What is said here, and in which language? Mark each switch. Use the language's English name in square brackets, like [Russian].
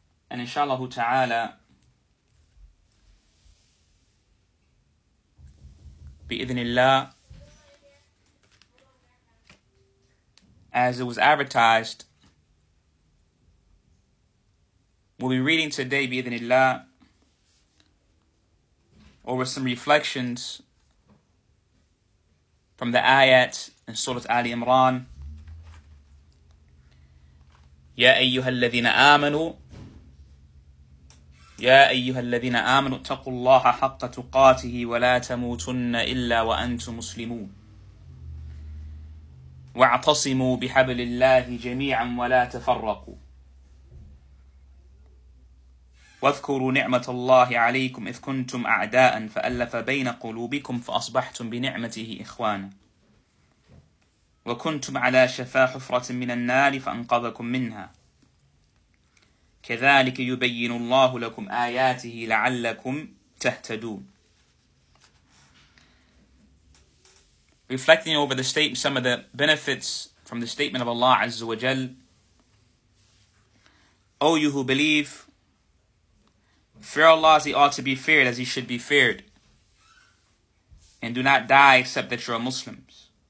[English] And inshallah ta'ala, bi-idhnillah, as it was advertised, we'll be reading today, bi-idhnillah, over some reflections from the ayat in Surah Ali Imran. [Arabic] Ya ayyuha alladhina amanu, يا أيها الذين آمنوا اتقوا الله حق تقاته ولا تموتن إلا وأنتم مسلمون واعتصموا بحبل الله جميعا ولا تفرقوا واذكروا نعمة الله عليكم إذ كنتم أعداء فألف بين قلوبكم فأصبحتم بنعمته إخوانا وكنتم على شفا حفرة من النار فأنقذكم منها كذلك يبين الله لكم آياته لعلكم تهتدون. [English] Reflecting over the statement, some of the benefits from the statement of Allah Azza wa Jal, O you who believe, fear Allah as He ought to be feared, as He should be feared, and do not die except that you are Muslims.